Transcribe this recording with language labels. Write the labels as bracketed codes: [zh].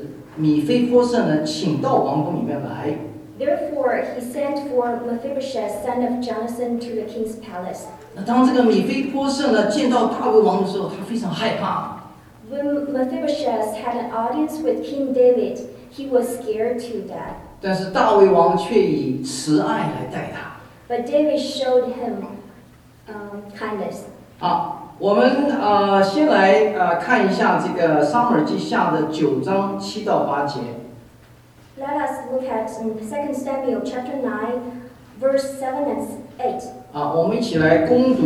[zh] 所以呢，他就请人把约纳丹的儿子米非波设呢请到王宫里面来。 [en] Therefore, he sent for Mephibosheth, son of Jonathan, to the king's palace. [zh] 那当这个米非波设呢见到大卫王的时候，他非常害怕。 [en] When Mephibosheth had an audience with King David, he was scared to death. [zh] 但是大卫王却以慈爱来待他。 [en] But David showed him kindness. [zh] 好，我们先来看一下这个撒母耳记下的9章7到8节。 [en] Let us look at 2 Samuel chapter 9, verse 7 and 8.